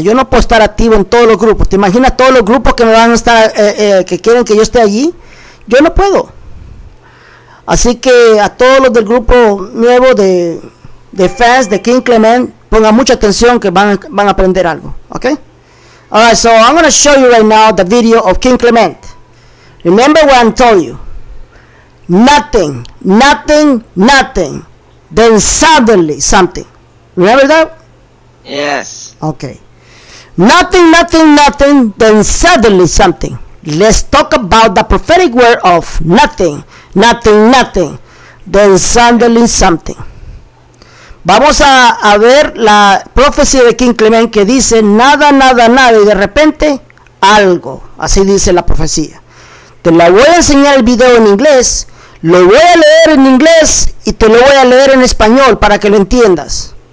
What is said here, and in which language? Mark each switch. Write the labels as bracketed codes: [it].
[es] Yo no puedo estar activo en todos los grupos. ¿Te imaginas todos los grupos que me van a estar, que quieren que yo esté allí? Yo no puedo. Así que a todos los del grupo nuevo de fans de King Clement, pongan mucha atención que van a aprender algo. [en] Okay? All right, so I'm going to show you right now the video of King Clement. Remember what I told you. Nothing. Then suddenly something. Remember that? Yes. Okay. Nothing. Then suddenly something. Let's talk about the prophetic word of nothing. Nothing. Then suddenly something. [es] Vamos a ver la profecía de King Clement que dice nada. Y de repente algo. Así dice la profecía. Te la voy a enseñar el video en inglés. Lo voy a leer en inglés. Y te lo voy a leer en español para que lo entiendas.